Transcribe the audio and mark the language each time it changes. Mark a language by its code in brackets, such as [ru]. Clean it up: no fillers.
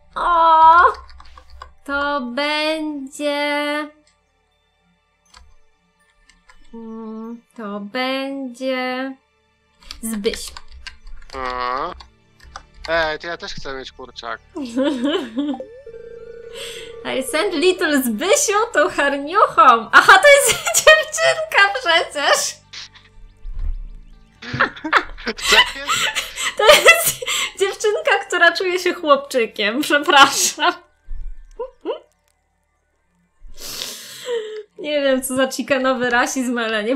[pl] O. To będzie... to będzie... Zbyś. O. To ja też chcę mieć kurczak. [en] I sent little Zbysiu to her new home. [pl] Aha, to jest dziewczynka przecież! To jest? To jest dziewczynka, która czuje się chłopczykiem, przepraszam. Nie wiem, co za chicanowy rasizm, ale nie